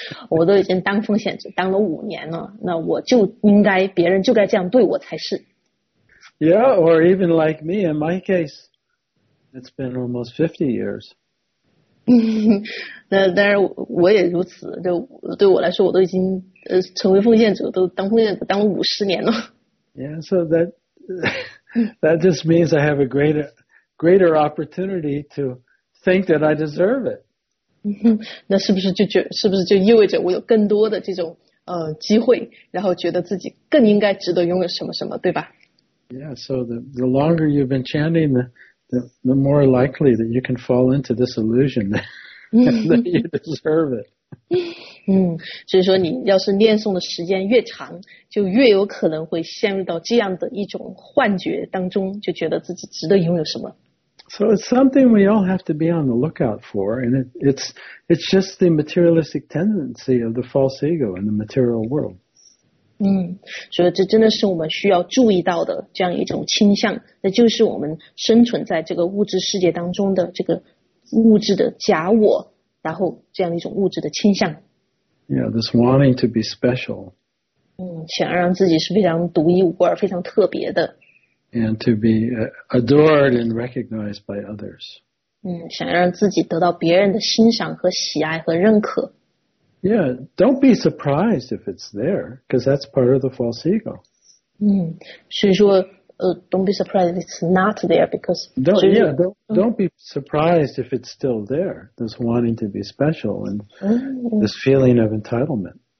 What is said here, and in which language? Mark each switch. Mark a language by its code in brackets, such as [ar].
[zh] 我都已经当奉献者当了5年了，那我就应该，别人就该这样对我才是。 [en] Yeah, or even like me, in my case, it's been almost 50 years. [zh] 那当然我也如此，对我来说，我都已经成为奉献者，都当奉献者当了50年了。 [en] Yeah, so that just means I have a greater opportunity to think that I deserve it. [zh] 那是不是就意味着我有更多的这种机会，然后觉得自己更应该值得拥有什么什么，对吧 [en] ？Yeah, so the longer you've been chanting the more likely that you can fall into this illusion that you deserve it. [zh] 所以说你要是念诵的时间越长，就越有可能会陷入到这样的一种幻觉当中，就觉得自己值得拥有什么。 [en] So it's something we all have to be on the lookout for, and it's just the materialistic tendency of the false ego in the material world. [zh] 所以这真的是我们需要注意到的这样一种倾向，那就是我们生存在这个物质世界当中的这个物质的假我，然后这样一种物质的倾向。 [en] Yeah, this wanting to be special. [zh] 想让自己是非常独一无二、非常特别的。 [en] And to be adored and recognized by others. [zh] 想让自己得到别人的欣赏和喜爱和认可。 [en] Yeah, don't be surprised if it's there, because that's part of the false ego. [zh] 所以说 [en] don't be surprised if it's not there, because... Don't be surprised if it's still there, this wanting to be special and this feeling of entitlement.